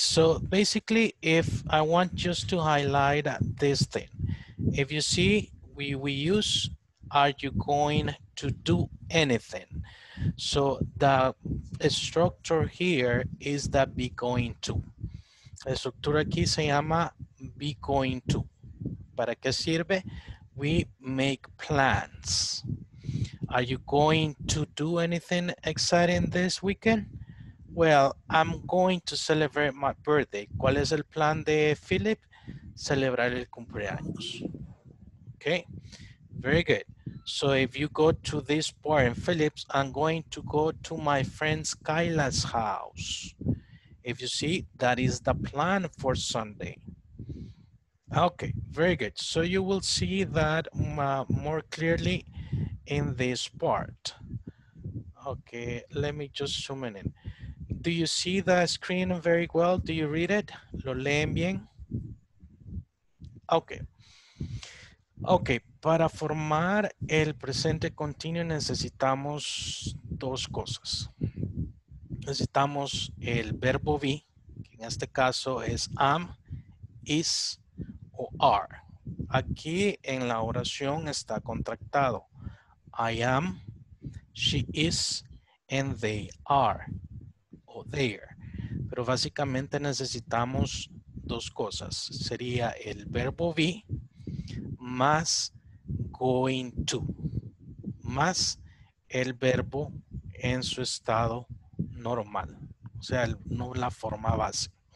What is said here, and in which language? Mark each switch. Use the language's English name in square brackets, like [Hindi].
[English] So basically, if I want just to highlight this thing, if you see, we use, are you going to do anything? So the structure here is the be going to. [Spanish] La estructura aquí se llama be going to. ¿Para qué sirve? [English] We make plans. Are you going to do anything exciting this weekend? Well, I'm going to celebrate my birthday. [Spanish] ¿Cuál es el plan de Philip? Celebrar el cumpleaños. [English] Okay, very good. So if you go to this part in Philip's, I'm going to go to my friend Kyla's house. If you see, that is the plan for Sunday. Okay, very good. So you will see that more clearly in this part. Okay, let me just zoom in. Do you see the screen very well? Do you read it? [Spanish] ¿Lo leen bien? [English] Okay. [Spanish] Okay, para formar el presente continuo necesitamos dos cosas. Necesitamos el verbo be, que en este caso es am, is o are. Aquí en la oración está contractado. [English] I am, she is, and they are, o there. [Spanish] Pero básicamente necesitamos dos cosas. Sería el verbo be más going to, más el verbo en su estado normal, o sea, no la forma base.